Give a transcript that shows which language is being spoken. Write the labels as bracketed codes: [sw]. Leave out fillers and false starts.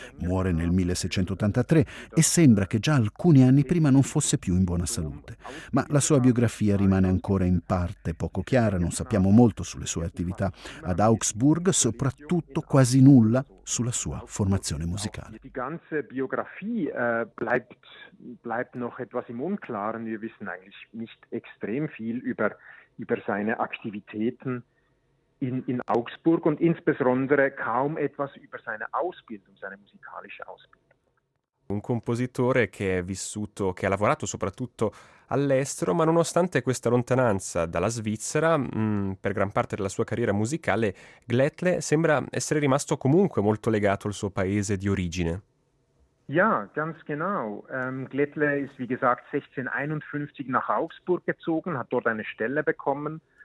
[it] Muore nel 1683 e sembra che già alcuni anni prima non fosse più in buona salute. Ma la sua biografia rimane ancora in parte poco chiara, non sappiamo molto sulle sue attività ad Augsburg, soprattutto quasi nulla sulla sua formazione musicale. [de] Die ganze Biografie bleibt noch etwas im Unklaren. Wir wissen eigentlich nicht extrem viel über seine Aktivitäten in Augsburg und insbesondere kaum etwas über seine Ausbildung, seine musikalische Ausbildung. [it] Un compositore che è vissuto, che ha lavorato soprattutto all'estero, ma nonostante questa lontananza dalla Svizzera, per gran parte della sua carriera musicale, Glettle sembra essere rimasto comunque molto legato al suo paese di origine. [de] Ja, ganz genau. Glettle ist wie gesagt 1651 nach Augsburg gezogen, hat dort eine Stelle bekommen.